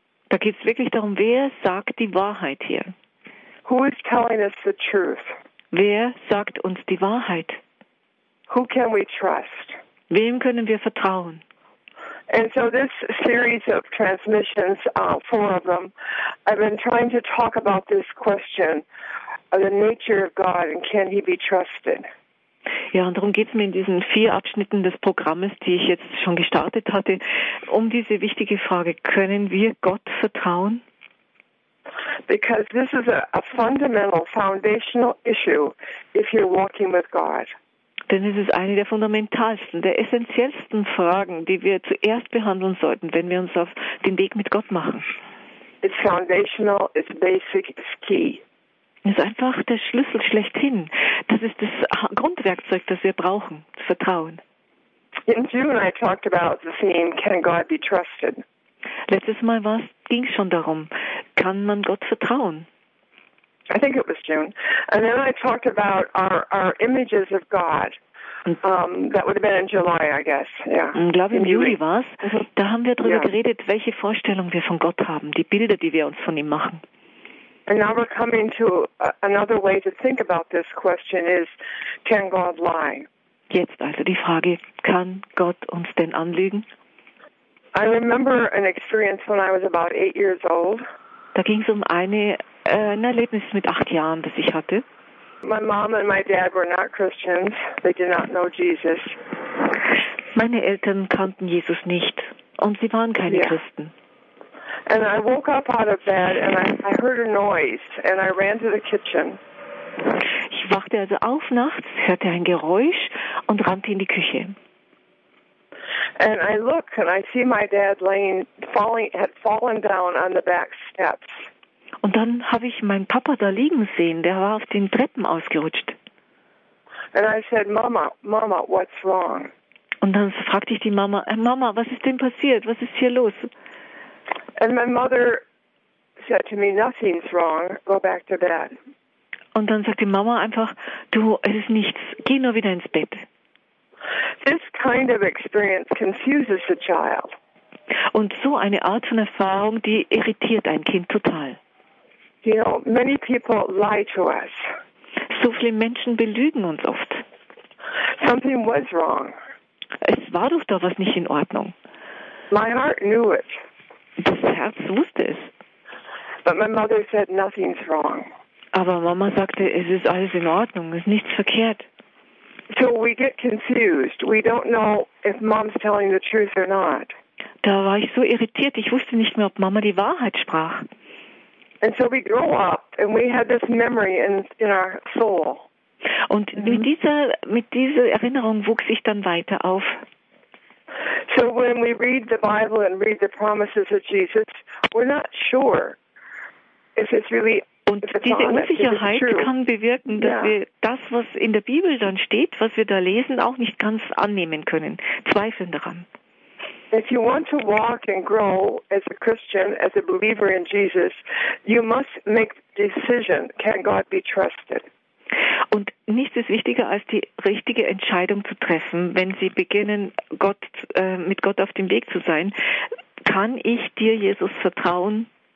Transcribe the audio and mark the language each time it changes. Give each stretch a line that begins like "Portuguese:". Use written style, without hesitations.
German: Da geht es wirklich darum, wer sagt die Wahrheit hier?
English: Who is telling us the truth?
German: Wer sagt uns die Wahrheit?
English: Who can we trust?
German: Wem können wir vertrauen?
English: And so this series of transmissions, four of them, I've been trying to talk about this question of the nature of God and can he be trusted?
German: Ja, und darum geht es mir in diesen vier Abschnitten des Programmes, die ich jetzt schon gestartet hatte, um diese wichtige Frage, können wir Gott vertrauen?
English: Because this is a fundamental, foundational issue if you're walking with God.
German: Denn es ist eine der fundamentalsten, der essentiellsten Fragen, die wir zuerst behandeln sollten, wenn wir uns auf den Weg mit Gott machen.
English: It's foundational, it's basic, it's key.
German: Ist einfach der Schlüssel schlechthin. Das ist das Grundwerkzeug, das wir brauchen, das Vertrauen.
English: In June I talked about the theme, can God be trusted?
German: Letztes Mal ging es schon darum, kann man Gott vertrauen?
English: I think it was June. And then I talked about our images of God. That would have been in July, I guess. Yeah.
German: Ich glaube, im Juli war es. Da haben wir darüber geredet, welche Vorstellung wir von Gott haben, die Bilder, die wir uns von ihm machen.
English: And now we're coming to another way to think about this question is, can God lie?
German: Jetzt also die Frage, kann Gott uns denn anlügen?
English: I remember an experience when I was about 8 years old.
German: Da ging es um ein Erlebnis mit 8 Jahren, das ich hatte.
English: My mom and my dad were not Christians. They did not know Jesus.
German: Meine Eltern kannten Jesus nicht und sie waren keine Christen.
English: And I woke up out of bed and I heard a noise and I ran to the kitchen.
German: Ich wachte also auf nachts, hörte ein Geräusch und rannte in die Küche.
English: And I look and I see my dad had fallen down on the back steps.
German: Und dann habe ich meinen Papa da liegen sehen, der war auf den Treppen ausgerutscht.
English: And I said, Mama, what's wrong?
German: Und dann fragte ich die Mama, Mama, was ist denn passiert? Was ist hier los?
English: And my mother said to me, nothing's wrong, go back to bed.
German: Und dann sagte Mama einfach, du, es ist nichts, geh nur wieder ins Bett.
English: This kind of experience confuses the child.
German: Und so eine Art von Erfahrung, die irritiert ein Kind total.
English: You know, many people lie to us.
German: So viele Menschen belügen uns oft.
English: Something was wrong.
German: Es war doch da was nicht in Ordnung.
English: My heart knew it.
German: Das Herz wusste es.
English: But my mother said, nothing's wrong.
German: Aber Mama sagte, es ist alles in Ordnung, es ist nichts verkehrt.
English: So we get confused. We don't know if Mom's telling the truth or not.
German: Da war ich so irritiert, ich wusste nicht mehr, ob Mama die Wahrheit sprach.
English: And so we grow up and we have this memory in our soul.
German: Und mit dieser Erinnerung wuchs ich dann weiter auf.
English: So when we read the Bible and read the promises of Jesus, we're not sure if it's really.
German: Und diese Unsicherheit kann bewirken, dass wir das, was in der Bibel dann steht, was wir da lesen, auch nicht ganz annehmen können, zweifeln daran.
English: If you want to walk and grow as a Christian, as a believer in Jesus, you must make the decision, can God be trusted?
German: Und nichts ist wichtiger, als die richtige Entscheidung zu treffen, wenn Sie beginnen, mit Gott auf dem Weg zu sein. Kann ich dir, Jesus, vertrauen?